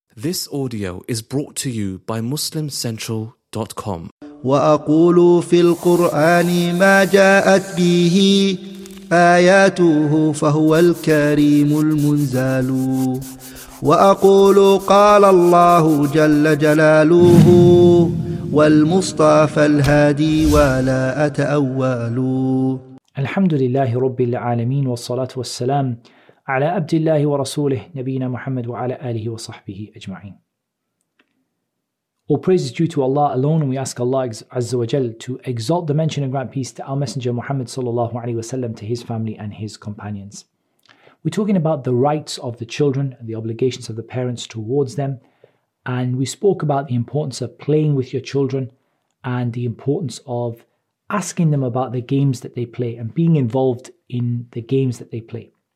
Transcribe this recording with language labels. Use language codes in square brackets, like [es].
[en] This audio is brought to you by MuslimCentral.com. [ar] وأقول في القرآن ما جاءت به آياته فهو الكريم المنزال. وأقول قال الله جل جلاله والمصطفى الهادي ولا أتأول. الحمد لله رب العالمين والصلاة والسلام على عبد الله ورسوله نبينا محمد وعلى آله وصحبه أجمعين. [en] All praise is due to Allah alone, and we ask Allah Azza wa Jal to exalt the mention and grant peace to our Messenger Muhammad sallallahu alaihi wasallam, to his family and his companions. We're talking about the rights of the children and the obligations of the parents towards them, and we spoke about the importance of playing with your children and the importance of asking them about the games that they play and being involved in the games that they play.